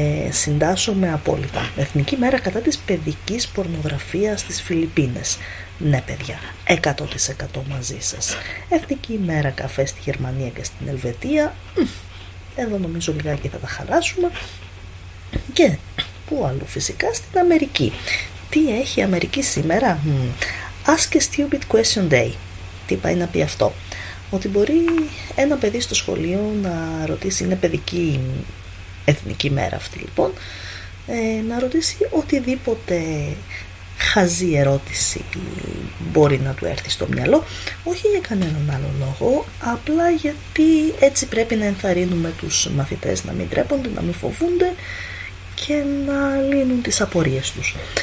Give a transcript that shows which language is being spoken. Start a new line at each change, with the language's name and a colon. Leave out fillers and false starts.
Greek: Συντάσσομαι απόλυτα. Εθνική Μέρα Κατά της Παιδικής Πορνογραφίας στις Φιλιππίνες. Ναι παιδιά, 100% μαζί σας. Εθνική ημέρα καφέ στη Γερμανία και στην Ελβετία. Εδώ νομίζω λιγάκι θα τα χαλάσουμε. Και που άλλο φυσικά στην Αμερική. Τι έχει η Αμερική σήμερα?
English: Ask a stupid question day.
Greek: Τι πάει να πει αυτό? Ότι μπορεί ένα παιδί στο σχολείο να ρωτήσει, είναι παιδική εθνική μέρα αυτή λοιπόν, να ρωτήσει οτιδήποτε χαζή ερώτηση μπορεί να του έρθει στο μυαλό, όχι για κανέναν άλλο λόγο, απλά γιατί έτσι πρέπει να ενθαρρύνουμε τους μαθητές να μην τρέπονται, να μην φοβούνται και να λύνουν τις απορίες τους.